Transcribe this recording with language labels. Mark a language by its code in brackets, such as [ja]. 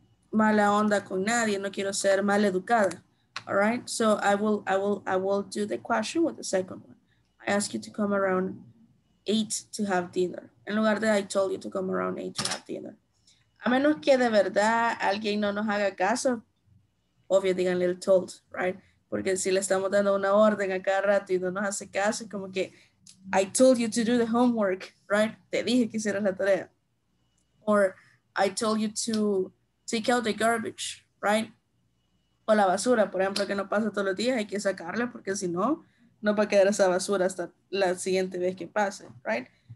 [es] mala onda con nadie, no quiero ser mal educada. [en] All right, so I will do the question with the second one. I ask you to come around 8 to have dinner. [es] En lugar de [en] I told you to come around 8 to have dinner. [es] A menos que de verdad alguien no nos haga caso, obvio, díganle el told, right? Porque si le estamos dando una orden a cada rato y no nos hace caso, como que [en] I told you to do the homework, right? [es] Te dije que hicieras la tarea. [en] Or I told you to take out the garbage, right? [es] O la basura, por ejemplo, que no pasa todos los días, hay que sacarla porque si no, no va a quedar esa basura hasta la siguiente vez que pase, right?